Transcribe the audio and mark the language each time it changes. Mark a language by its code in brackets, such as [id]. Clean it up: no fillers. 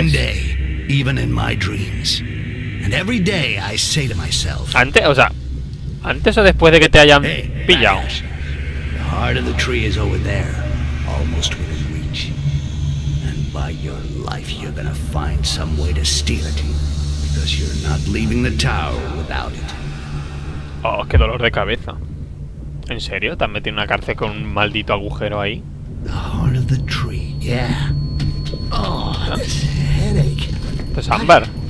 [es] Antes, o sea, antes o después de que te hayan pillado. [en] The heart of the tree is over there, almost within reach. And by your life, you're gonna find some way to steal it, because you're not leaving the tower without it. [es] Oh, qué dolor de cabeza. ¿En serio? ¿También tiene una cárcel con un maldito agujero ahí? [en] The heart of the tree, yeah. Oh, this headache. [es] Esto es ámbar.